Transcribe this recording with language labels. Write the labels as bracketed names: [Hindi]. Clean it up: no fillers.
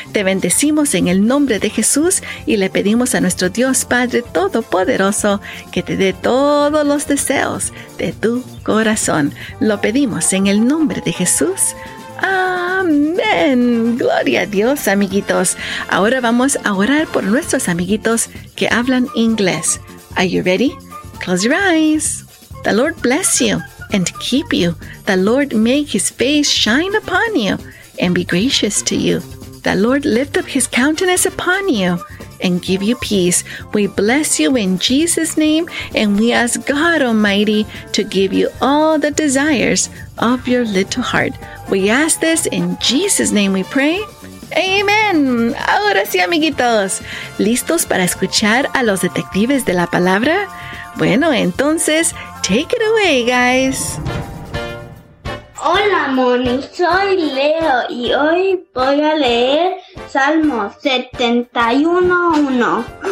[Spanish] Te bendecimos en el nombre de Jesús y le pedimos a nuestro Dios Padre Todopoderoso que te dé todos los deseos de tu corazón. Lo pedimos en el nombre de Jesús. ¡Amén! ¡Gloria a Dios, amiguitos! Ahora vamos a orar por nuestros amiguitos que hablan inglés. [English] Are you ready? Close your eyes. The Lord bless you and keep you. The Lord make His face shine upon you and be gracious to you. The Lord lift up His countenance upon you and give you peace. We bless you in Jesus' name, and we ask God Almighty to give you all the desires of your little heart. We ask this in Jesus' name we pray. [Spanish] Amen. Ahora sí, amiguitos. ¿Listos para escuchar a los detectives de la palabra? Bueno, entonces, [English] take it away, guys. [Spanish] Hola, Moni, soy Leo y hoy voy a leer Salmo 71:1.